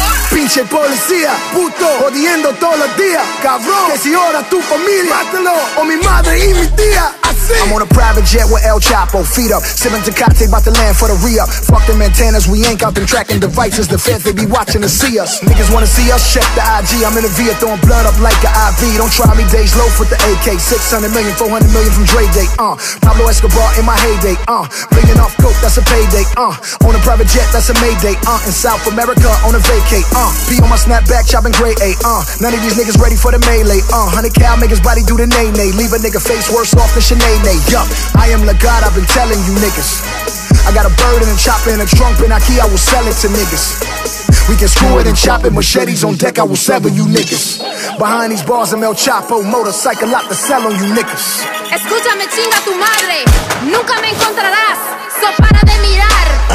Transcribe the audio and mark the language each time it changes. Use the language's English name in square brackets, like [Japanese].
[Spanish] Pinche policía, puto, jodiendo todos los días. Cabrón, que si ahora tu familia, mátalo, o mi madre y mi tía. [English] I'm on a private jet with El Chapo, feet up. Sipping Tecate, about to land for the re-up. Fuck them antennas, we ain't got them tracking devices. The feds, they be watching to see us. Niggas wanna see us, check the IG. I'm in a Via, throwing blood up like an IV. Don't try me, Dej Loaf with the AK. 600 million, 400 million from Dre Day, Pablo Escobar in my heyday, Million off coke, that's a payday, On a private jet, that's a mayday, In South America, on a vacay, P on my snapback, chopping gray, None of these niggas ready for the melee, 100 cal, make his body do the nay-nay. Leave a nigga face worse off than Chanel. Yup, I am the God, I've been telling you niggas. I got a bird and a chopper and a trunk and a key, I will sell it to niggas. We can screw it and chop it, machetes on deck, I will sever you niggas. Behind these bars, I'm El Chapo, motorcycle lot to sell on you niggas. [Spanish] Escúchame, chinga tu madre, nunca me encontrarás, so para de mirar.